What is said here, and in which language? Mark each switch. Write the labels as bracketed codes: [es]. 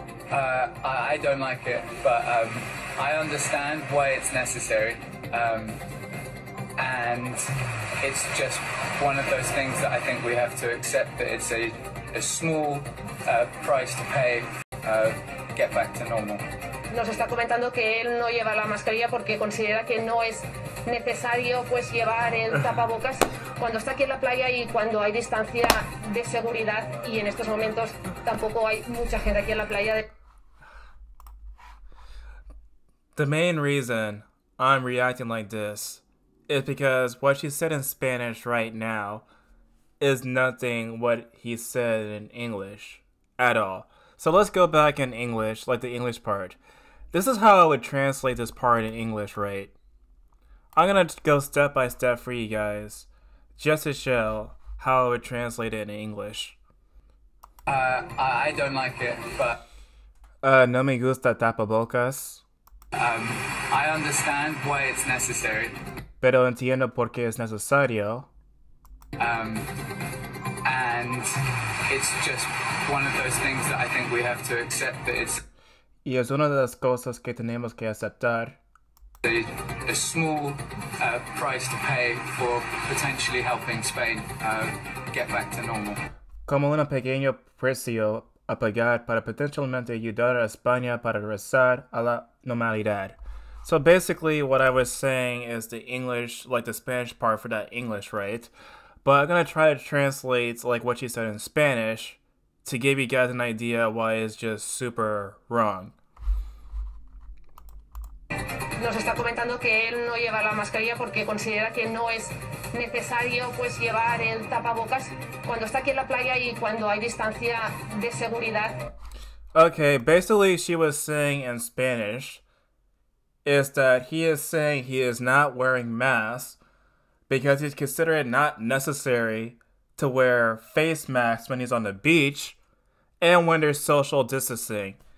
[en] I don't like it, but I understand why it's necessary. And it's just one of those things that I think we have to accept that it's a small price to pay to get back to normal. [es] Nos está comentando que él no lleva la mascarilla porque considera que no es necesario pues llevar el tapabocas cuando está aquí en la playa y cuando hay distancia de seguridad y en estos momentos tampoco hay mucha gente aquí en la playa. [en] The main reason I'm reacting like this is because what she said in Spanish right now is nothing what he said in English at all. So let's go back in English, like the English part. This is how I would translate this part in English, right? I'm gonna go step by step for you guys just to show how I would translate it in English. I don't like it, but... [es] No me gusta tapabocas. [en] I understand why it's necessary. [es] Pero entiendo por qué es necesario. [en] And it's just one of those things that I think we have to accept that it's... [es] Y es una de las cosas que tenemos que aceptar. [en] A small price to pay for potentially helping Spain get back to normal. [es] Como un pequeño precio a pagar para potencialmente ayudar a España para regresar a la normalidad. [en] So basically what I was saying is the English, like the Spanish part for that English, right? But I'm gonna try to translate like what she said in Spanish to give you guys an idea why it's just super wrong. [es] Nos está comentando que él no lleva la mascarilla porque considera que no es necesario pues llevar el tapabocas cuando está aquí en la playa y cuando hay distancia de seguridad. [en] Okay, basically she was saying in Spanish is that he is saying he is not wearing masks because he's considering it not necessary to wear face masks when he's on the beach and when there's social distancing.